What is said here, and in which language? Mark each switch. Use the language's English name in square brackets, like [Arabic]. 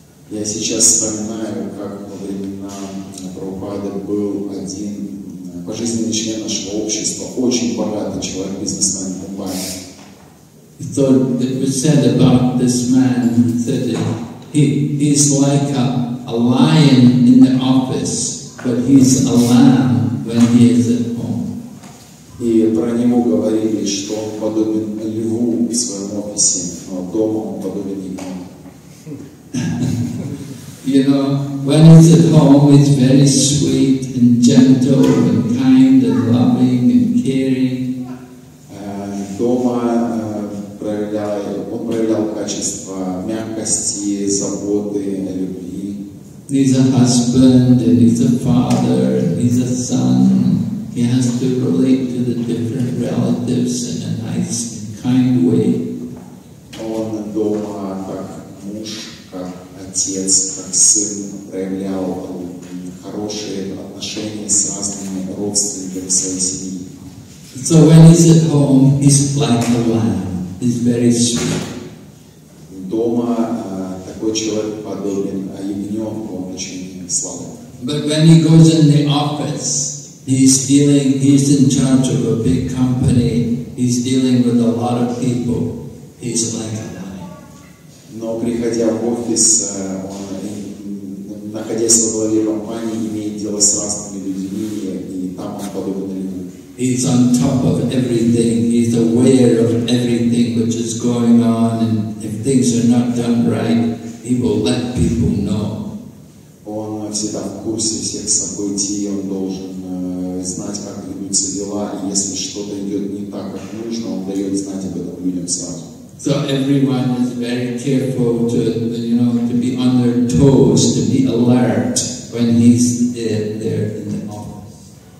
[Russian] Я сейчас вспоминаю, как во времена Прабхупады был один пожизненный член нашего общества, очень богатый человек, бизнесмен в Мумбаи. [English] So it was said about this man, said that he's like a lion in the office, but he's a lamb when he is at home. [Russian] И про него говорили, что он подобен льву в своем офисе, но дома он подобен ему. [English] You know, when he's at home, he's very sweet and gentle and kind and loving and caring. [Russian] Дома проявлял качество мягкости, заботы, любви. [English] He's a husband, and he's a father, and he's a son. He has to relate to the different relatives in a nice, kind way. [Russian] Он дома как муж, как отец, как сын проявлял хорошие отношения с разными родственниками своей семьи. [English] So when he's at home, he's like a lamb. He's very sweet. [Russian] Дома такой человек подобен ягненку, он очень славный. [English] But when he goes in the office, he's in charge of a big company. He's dealing with a lot of people. He's like a lion. [Russian] Но приходя в офис, он, находясь во главе компании, имеет дело с разными людьми, и там он подобен льву. [English] He's on top of everything. He's aware of everything which is going on, and if things are not done right, he will let people know. [Russian] Он всегда в курсе всех событий. Он должен знать, как ведутся дела, и если что-то идет не так, как нужно, он дает знать об этом людям сразу. [English] So everyone is very careful to, you know, to be on their toes, to be alert when he's there in the office.